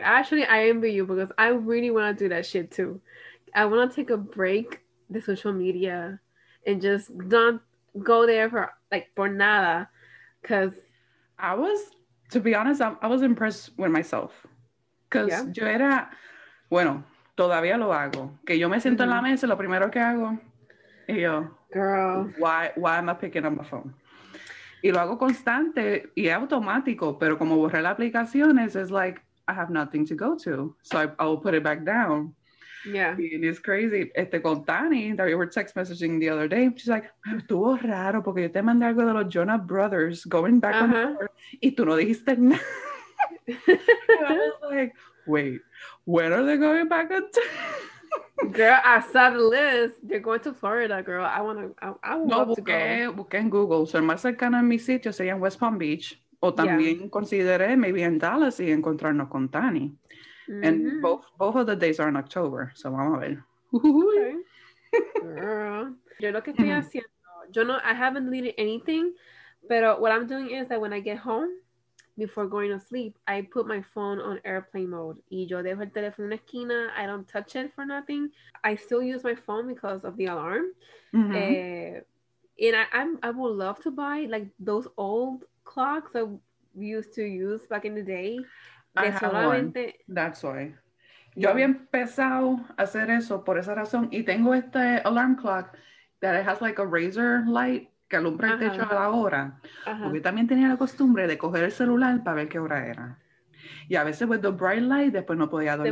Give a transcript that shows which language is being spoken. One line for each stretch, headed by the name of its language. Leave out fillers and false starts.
English: Actually, I envy you because I really want to do that shit too. I want to take a break, the social media, and just don't go there for, like, for nada. Because I was, to be honest, I was impressed with myself.
Spanish: Because yo era, bueno, todavía lo hago. Que yo me siento en la mesa, lo primero que hago, y yo,
English: girl, why am I picking up my phone?
Spanish: Y lo hago constante y automático, pero como borré las aplicaciones,
English: it's like, I have nothing to go to. So I will put it back down. Yeah. And it's crazy.
Spanish: Este con Tani,
English: that we were text messaging the other day, she's like,
Spanish: estuvo raro porque yo te mandé algo de los Jonas Brothers
English: going back on her,
Spanish: y tú no dijiste nada.
English: I was like, wait, when are they going back on Girl, I saw the list. They're going to Florida, girl. I would love to go.
Spanish: Busqué en Google. So, el más cercano en mi sitio sería en West Palm Beach. O también consideré maybe en Dallas y encontrarnos con Tani. Mm-hmm.
English: And both of the days are in October.
Spanish: So, vamos a ver. Okay. Girl. Yo lo que estoy haciendo.
English: Yo no, I haven't deleted anything. Pero what I'm doing is that when I get home, before going to sleep, I put my phone on airplane mode.
Spanish: Y yo dejo el teléfono en la esquina.
English: I don't touch it for nothing. I still use my phone because of the alarm. And I would love to buy, like, those old clocks that we used to use back in the day. I have one. That's why.
Spanish: Yo había empezado a hacer eso por esa razón. Y tengo este alarm clock
English: that it has, like, a razor light.
Spanish: Que alumbra el techo a la hora. Porque también tenía la costumbre de coger el celular para ver qué hora era. Y a veces,
English: with the bright light,
Spanish: después no podía dormir.